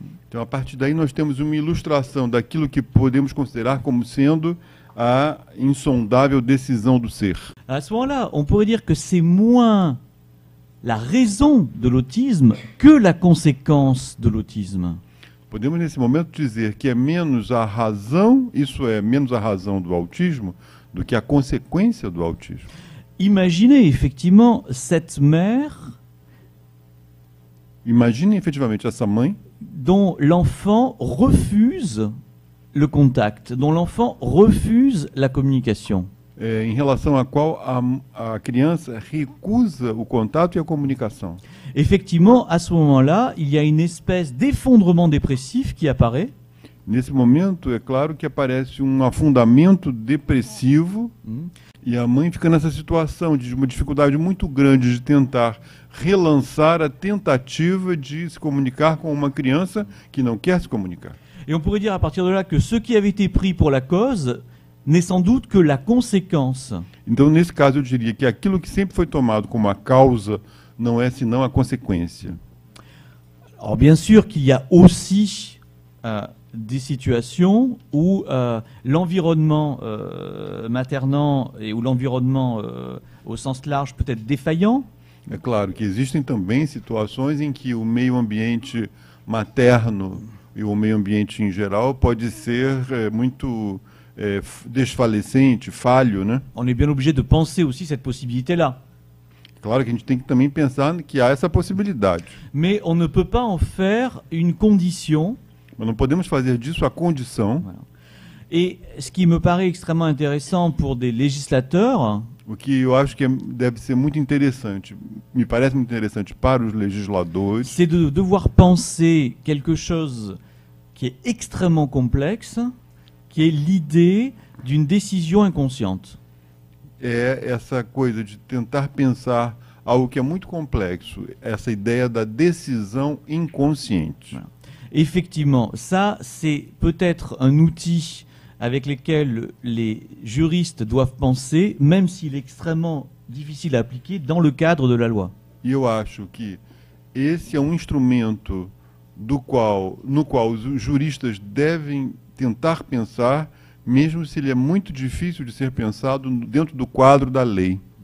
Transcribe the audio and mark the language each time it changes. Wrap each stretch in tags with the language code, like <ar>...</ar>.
<pt>Então, à partir daí, nós temos uma ilustração daquilo que podemos considerar como sendo a insondável decisão do ser.</pt> <fr>À ce moment-là, on pourrait dire que c'est moins la raison de l'autisme que la conséquence de l'autisme.</fr> <pt>Podemos, nesse momento, dizer que é menos a razão, isso é, menos a razão do autismo, do que a consequência do autismo.</pt> <fr>Imaginez, effectivement, cette mère... Imaginez, effectivement,</fr> <pt>essa mãe...</pt> <fr>dont l'enfant refuse le contact, dont l'enfant refuse la communication.</fr> <pt>Em relação à qual a criança recusa o contato e a comunicação.</pt> <fr>Effectivement, à ce moment-là, il y a une espèce d'effondrement dépressif qui apparaît.</fr> <pt>Nesse momento, é claro que aparece um afundamento depressivo e a mãe fica nessa situação de uma dificuldade muito grande de tentar relançar a tentativa de se comunicar com uma criança que não quer se comunicar.</pt> <fr>Et on pourrait dire à partir de là que ce qui avait été pris pour la cause n'est sans doute que la conséquence.</fr> <pt>Então, nesse caso, eu diria que aquilo que sempre foi tomado como a causa não é senão a consequência.</pt> <fr>Alors, bien sûr qu'il y a aussi des situations où l'environnement maternant et où l'environnement au sens large peut être défaillant.</fr> <pt>É claro que existem também situações em que o meio ambiente materno e o meio ambiente em geral pode ser muito desfalecente, falho, né?</pt> <fr>On est bien obligé de penser aussi cette possibilité là.</fr> <pt>Claro que a gente tem que também pensar que há essa possibilidade.</pt> <fr>Mais on ne peut pas en faire une condition.</fr> <pt>Mas não podemos fazer disso a condição.</pt> <fr>Et ce qui me paraît extrêmement intéressant pour des législateurs.</fr> <pt>O que eu acho que deve ser muito interessante, me parece muito interessante para os legisladores.</pt> <fr>C'est de devoir penser quelque chose qui est extrêmement complexe, qui est l'idée d'une décision inconsciente.</fr> <pt>É essa coisa de tentar pensar algo que é muito complexo, essa ideia da decisão inconsciente.</pt> <fr>Voilà. Effectivement, ça, c'est peut-être un outil avec lequel les juristes doivent penser, même s'il est extrêmement difficile à appliquer dans le cadre de la loi.</fr> <pt>E eu acho que esse é um instrumento no qual os juristas devem tentar pensar, mesmo se ele é muito difícil de ser pensado dentro do quadro da lei.</pt>